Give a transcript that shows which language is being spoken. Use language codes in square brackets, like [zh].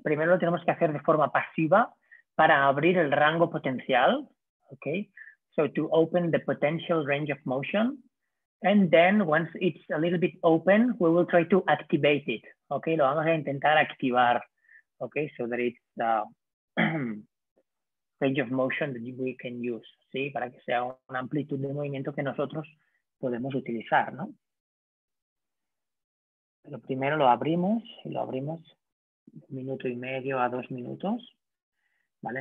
[es] Primero lo tenemos que hacer de forma pasiva para abrir el rango potencial, okay? [en] So to open the potential range of motion. And then once it's a little bit open, we will try to activate it, okay? [es] Lo vamos a intentar activar, [en] okay? So that it's the range of motion that we can use, ¿sí? [es] Para que sea una amplitud de movimiento que nosotros podemos utilizar, ¿no? Pero primero lo abrimos y lo abrimos 1 minuto y medio a 2 minutos, ¿vale?